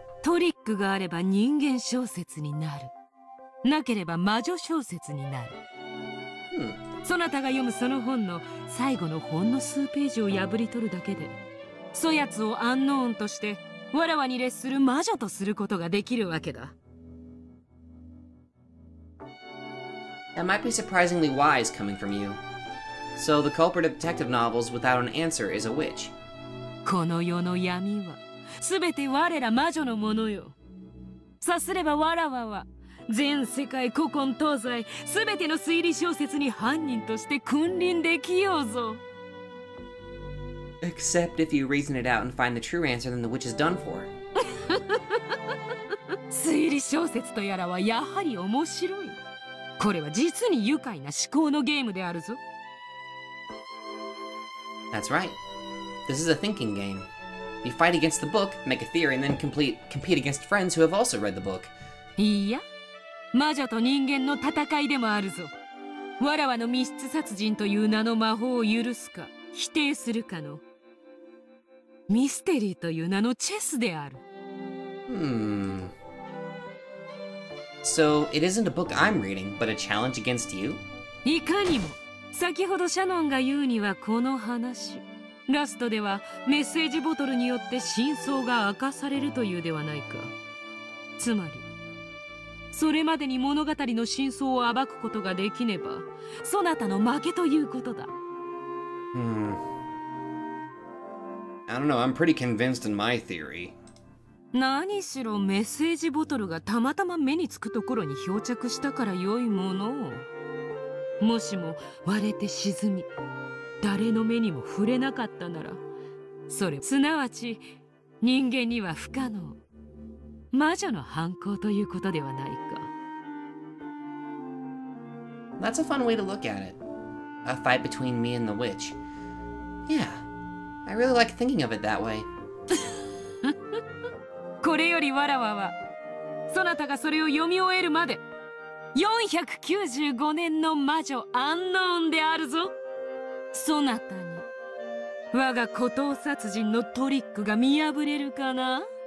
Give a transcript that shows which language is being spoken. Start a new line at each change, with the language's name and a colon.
Japanese: トリックがあれば人間小説になる。なければ魔女小説になる。 Hmm. そなたが読むその本の最後のほんの数ページを破り取るだけで、そやつをアンノーンとして、わらわに列する魔女とすることができるわけだ。
English: That might be surprisingly wise coming from you. So the culprit of detective novels without an answer is a witch.
Japanese: この世の闇は、すべて我ら魔女のものよ。さすればわらわは、全世界古今東西すべての推理小説に犯人として君臨できようぞ。
English: Except if you reason it out and find the true answer, then the witch is done for.
Japanese: 推理小説とやらはやはり面白い。これは実に愉快な思考のゲームであるぞ。
English: That's right. This is a thinking game. You fight against the book, make a theory, and then compete against friends who have also read the book.
Japanese: いや。魔女と人間の戦いでもあるぞ。わらわの密室殺人という名の魔法を許すか、否定するかの。ミステリーという名のチェスである。
English: So, it isn't a book I'm reading, but a challenge against you?
Japanese: いかにも。先ほどシャノンが言うにはこの話。ラストではメッセージボトルによって真相が明かされるというではないか。つまり、それまでに物語の真相を暴くことができねば、そなたの負けということだ。
English: I don't know, I'm pretty convinced in my theory.
Japanese: 何しろメッセージボトルがたまたま目につくところに漂着したから良いものを。もしも割れて沈み、誰の目にも触れなかったなら、それすなわち人間には不可能。魔女の犯行ということではないか。
English: that's a fun way to look at it. A fight between me and the witch. Yeah, I really like thinking of it that way.
Japanese: これよりわらわは、そなたがそれを読み終えるまで、495年の魔女アンノーンであるぞ。そなたに、我が孤島殺人のトリックが見破れるかな？